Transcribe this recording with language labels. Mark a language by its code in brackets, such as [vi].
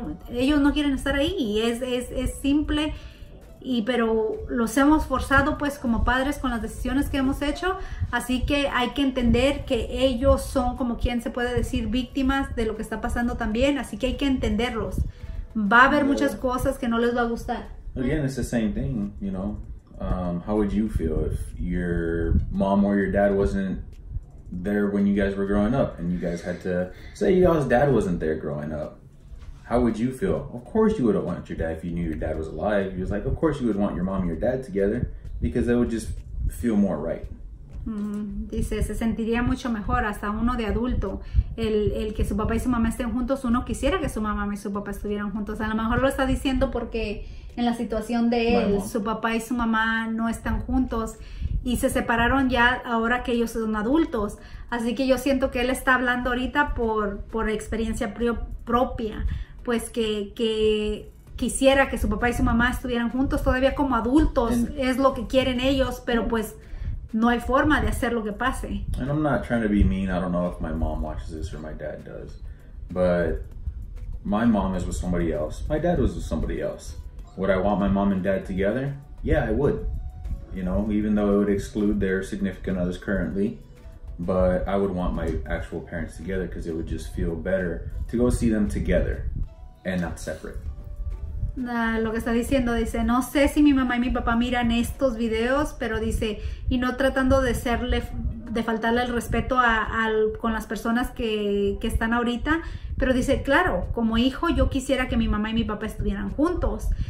[es] Ellos no quieren estar ahí, es simple, pero los hemos forzado pues como padres con las decisiones que hemos hecho, así que hay que entender que ellos son, como quien se puede decir, víctimas de lo que está pasando también, así que hay que entenderlos. Va a haber muchas cosas que no les va a gustar. [en] Again, it's the same thing, you know. How would you feel if your mom or your dad wasn't there when you guys were growing up, and you guys had to say y'all's dad wasn't there growing up? How would you feel? Of course you would have wanted your dad if you knew your dad was alive. He was like, of course you would want your mom and your dad together, because it would just feel more right. [es] Dice, se sentiría mucho mejor hasta uno de adulto el que su papá y su mamá estén juntos. Uno quisiera que su mamá y su papá estuvieran juntos. A lo mejor lo está diciendo porque en la situación de él, su papá y su mamá no están juntos y se separaron ya ahora que ellos son adultos. Así que yo siento que él está hablando ahorita por experiencia propia, pues que quisiera que su papá y su mamá estuvieran juntos todavía como adultos. Es lo que quieren ellos, pero pues no hay forma de hacer lo que pase. [en] And I'm not trying to be mean. I don't know if my mom watches this or my dad does. But my mom is with somebody else. My dad was with somebody else. Would I want my mom and dad together? Yeah, I would. You know, even though it would exclude their significant others currently. But I would want my actual parents together because it would just feel better to go see them together and not separate. [es] Lo que está diciendo, dice, no sé si mi mamá y mi papá miran estos videos, pero dice, y no tratando de faltarle el respeto con las personas que están ahorita, pero dice, claro, como hijo yo quisiera que mi mamá y mi papá estuvieran juntos,